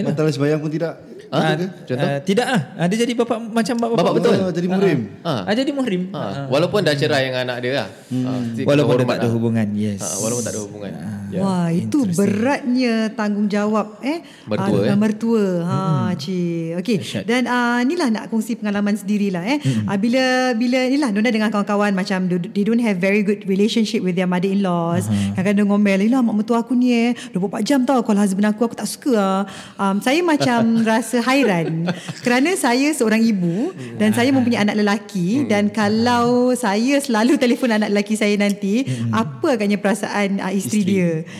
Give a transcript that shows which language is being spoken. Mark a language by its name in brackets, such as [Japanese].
[Malay] Batal sembahyang pun tidak. Tidaklah. Ada jadi bapak macam bapak. Bapak betul. Jadi muhrim. Jadi muhrim. Walaupun dah cerai dengan anak dia. Walaupun dia tak ada hubungan. Yes. Walaupun tak ada hubungan. Wah, itu beratnya tanggungjawab mertua. Okey. Dan inilah nak kongsi pengalaman sendirilah bila inilah Nona dengan kawan-kawan macam [English] they don't have very good relationship with their mother-in-laws. [Malay] Kadang-kadang ngomel, "Inilah mak mertua aku ni 24 jam tau call husband aku tak suka ah." Saya macam rasa hairan kerana saya seorang ibu dan saya mempunyai anak lelaki, dan kalau saya selalu telefon anak lelaki saya nanti, apa agaknya perasaan isteri dia.